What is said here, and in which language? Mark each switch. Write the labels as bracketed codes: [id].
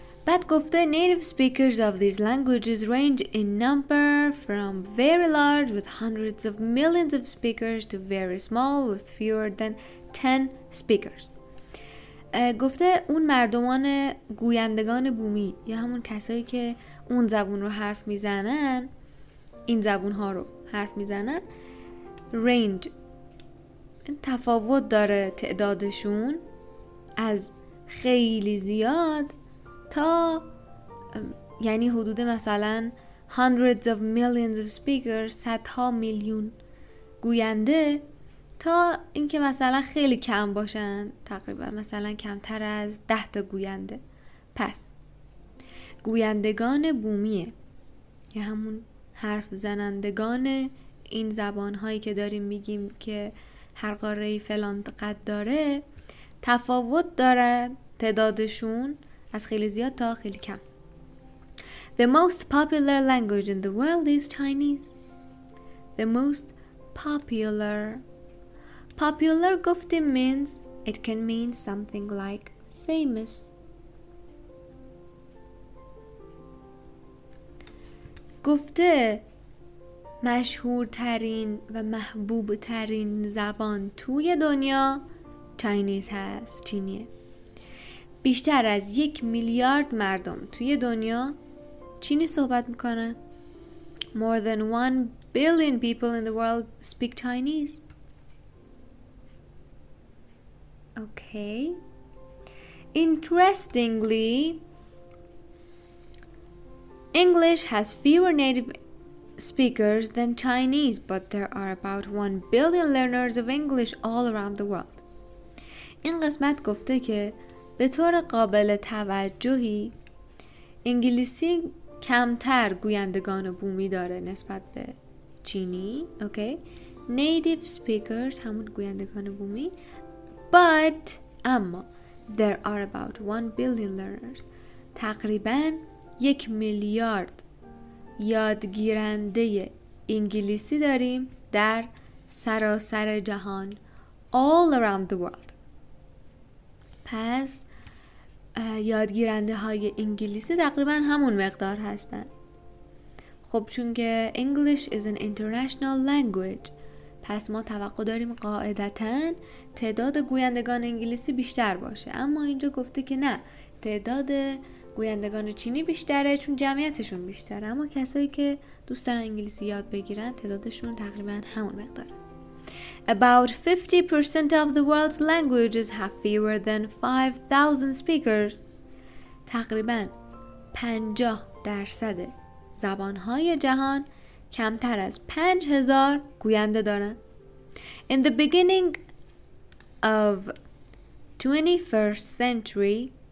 [fa] بعد گفته [en] native speakers of these languages range in number from very large with hundreds of millions of speakers to very small with fewer than 10 speakers. [fa] گفته اون مردمان گویندگان بومی یا همون کسایی که اون زبون رو حرف میزنن، این زبون ها رو حرف میزنن، range تفاوت داره تعدادشون از خیلی زیاد تا یعنی حدود مثلا [en] hundreds of millions of speakers، [fa] صدها میلیون گوینده، تا اینکه مثلا خیلی کم باشن، تقریبا مثلا کمتر از 10 تا گوینده. پس گویندگان بومیه یا همون حرف زنندگان این زبانهایی که داریم میگیم که هر قاره‌ای فلان قد داره، تفاوت داره تعدادشون از خیلی زیاد تا خیلی کم. [en] The most popular language in the world is Chinese. The most popular. Popular گفتیم means it can mean something like famous. [fa] گفته مشهورترین و محبوبترین زبان توی دنیا چاینیز هست، چینیه. بیشتر از 1 میلیارد مردم توی دنیا چینی صحبت میکنن. [en] More than 1 billion people in the world speak Chinese. Okay. Interestingly, English has fewer native speakers than Chinese, but there are about 1 billion learners of English all around the world. [fa] این قسمت گفته که به طور قابل توجهی انگلیسی کمتر گویندگان بومی داره نسبت به چینی. [en] Okay. Native speakers [fa] همون گویندگان بومی. [en] But اما there are about 1 billion learners. [fa] تقریباً 1 میلیارد یادگیرنده انگلیسی داریم در سراسر جهان. [en] All around the world. [fa] پس یادگیرنده های انگلیسی تقریباً همون مقدار هستن. خب چون که [en] English is an international language، [fa] پس ما توقع داریم قاعدتاً تعداد گویندگان انگلیسی بیشتر باشه، اما اینجا گفته که نه، تعداد گویندگان چینی بیشتره چون جمعیتشون بیشتره، اما کسایی که دوست دارن انگلیسی یاد بگیرن تعدادشون تقریباً همون مقداره. [en] About 50% of the world's languages have fewer than 5,000 speakers. [fa] تقریباً 50% زبان‌های جهان کمتر از 5000 گوینده دارن. [en] In the beginning of 21st century,